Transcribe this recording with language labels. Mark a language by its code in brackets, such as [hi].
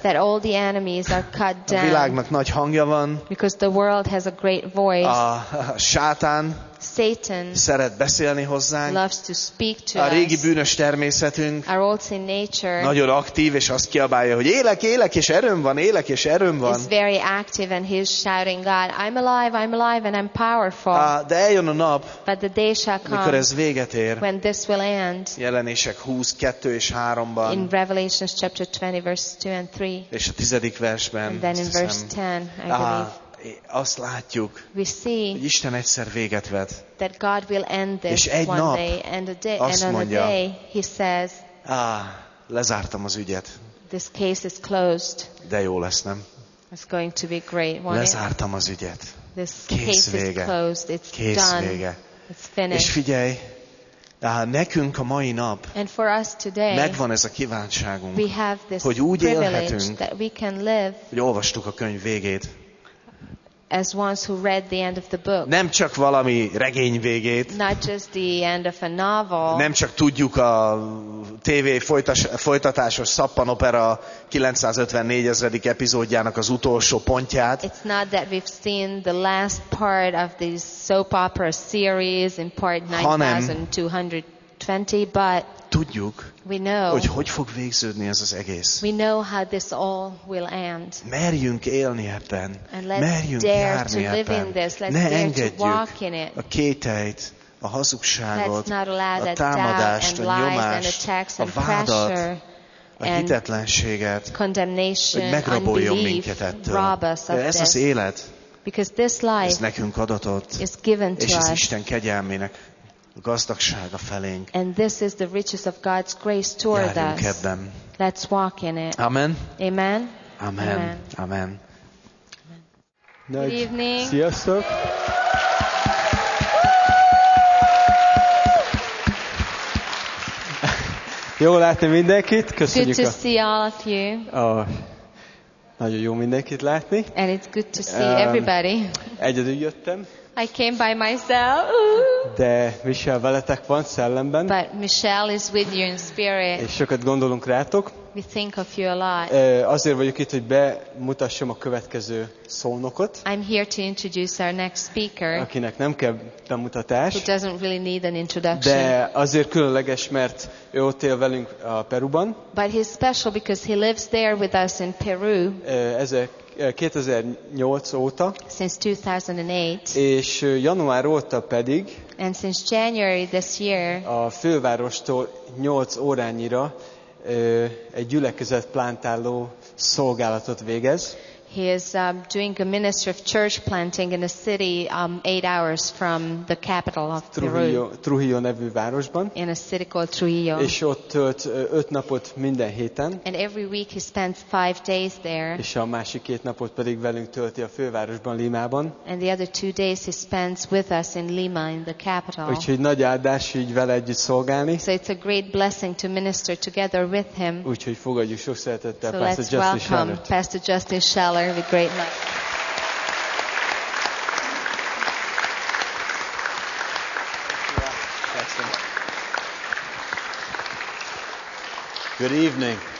[en] That all the enemies are cut down. [hu] A világnak nagy hangja van. [en] Because the world has a great voice. [hu] A sátán, [en] Satan, [hu] szeret beszélni hozzánk. [en] Loves to speak to [hu] a régi [en] us. [hu] Bűnös természetünk, [en] our old sin nature, [hu] nagyon aktív és azt kiabálja, hogy élek, élek és erőm van, élek és erőm van. [en] He's very active and he's shouting, God, I'm alive and I'm powerful. [hu] De eljön a nap, [en] but the day shall come, [hu] mikor ez véget ér. [en] When this will end. [hu] Jelenések 22 és 3-ban. [en] In Revelation chapter 20, verse 2 and 3. [hu] És a 10. versben. [en] And then in verse 10, I believe. [hu] Azt látjuk, [en] we see, [hu] hogy Isten egyszer véget vet. [en] That God will end this [hu] és egy nap [en] day, and a day, [hu] azt [en] and [hu] mondja, [en] day, he says, [hu] lezártam az ügyet. [en] This case is closed. [hu] De jó lesz, nem? [en] It's going to be great, won't it? [hu] Lezártam az ügyet. [en] This case [hu] vége. [en] Is closed. It's [hu] kész [en] done. [hu] Vége. [en] It's finished. [hu] És figyelj, nekünk a mai nap [en] today, [hu] megvan ez a kívánságunk, hogy úgy élhetünk, [en] live, [hu] hogy olvastuk a könyv végét. [en] As ones who read the end of the book. [hu] Nem csak valami regény végét. [en] Not just the end of a novel. [hu] Nem csak tudjuk a TV folytatásos szappanopera 954. epizódjának az utolsó pontját. [en] It's not that we've seen the last part of the soap opera series in part 9220, but [hu] tudjuk, [en] we know, [hu] hogy fog végződni ez az egész. [en] We know how this all will end. [hu] Merjünk élni ebben. [en] And let's [hu] merjünk [en] dare [hu] járni [en] to [hu] ebben. [en] Live in this. Let's [hu] ne [en] dare [hu] engedjük [en] to walk in it. [hu] A kételyt, a hazugságot, [en] let's not allow [hu] a támadást, a nyomást, [en] and [hu] a vádat, a hitetlenséget, hogy megraboljon minket ettől. [en] Rob us of [hu] ez az élet, [en] because this life [hu] ez nekünk adatott, [en] is given to [hu] és ez [en] us. [hu] Isten kegyelmének a gazdagsága felénk. [en] And this is the riches of God's grace toward [hu] járjunk [en] us. [hu] Ebben. [en] Let's walk in it. [hu] Amen. [en] Amen. [hu] Amen. Amen. [en] Amen. Good evening. [hu] Sziasztok. Jó látni mindenkit. Köszönjük [en] good to see all of you. [hu] Nagyon jó mindenkit látni. [en] And it's good to see everybody. [hu] Egyedül jöttem. [en] I came by myself. [hu] De Michelle veletek van szellemben. [en] But Michelle is with you in spirit. [hu] És sokat gondolunk rátok. [en] We think of you a lot. [hu] Azért vagyok itt, hogy bemutassam a következő szónokot. [en] I'm here to introduce our next speaker. [hu] Akinek nem kell bemutatás. [en] Who doesn't really need an introduction. [hu] De azért különleges, mert ő ott él velünk a Peruban. [en] But he's special because he lives there with us in Peru. [hu] 2008 óta. [en] Since 2008. [hu] És január óta pedig. [en] And since January this year. [hu] A fővárostól 8 órányira egy gyülekezet plantáló szolgálatot végez. [en] He is doing a ministry of church planting in a city 8 hours from the capital of Trujillo, Peru. [hu] Trujillo nevű városban. [en] In a city called Trujillo. [hu] És ott tölt 5 napot minden héten. [en] And every week he spends 5 days there. [hu] És a másik 2 napot pedig velünk tölti a fővárosban, Limában. [en] And the other 2 days he spends with us in Lima, in the capital. [hu] Úgyhogy nagy áldás így vele együtt szolgálni. [en] So it's a great blessing to minister together with him. [hu] Úgyhogy fogadjuk sok szeretettel [en] Pastor Justin Schellert. Good evening.